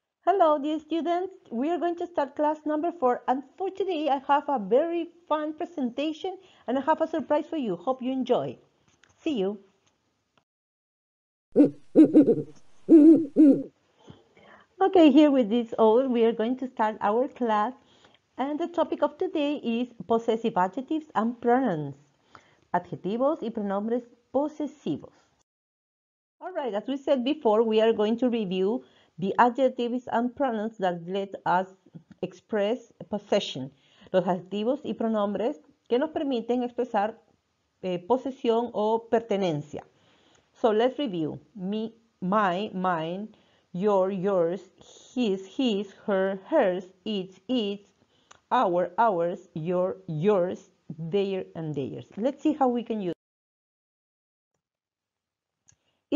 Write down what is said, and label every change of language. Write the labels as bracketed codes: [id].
[en] Hello, dear students. We are going to start class number 4. And for today, I have a very fun presentation and I have a surprise for you. Hope you enjoy. See you. Okay, here with this all, we are going to start our class. And the topic of today is possessive adjectives and pronouns. [es] Adjetivos y pronombres posesivos. [en] All right, as we said before, we are going to review the adjectives and pronouns that let us express possession. [es] Los adjetivos y pronombres que nos permiten expresar posesión o pertenencia. [en] So let's review. Me, my, mine, your, yours, his, her, hers, its, our, ours, your, yours, their, and theirs. Let's see how we can use it.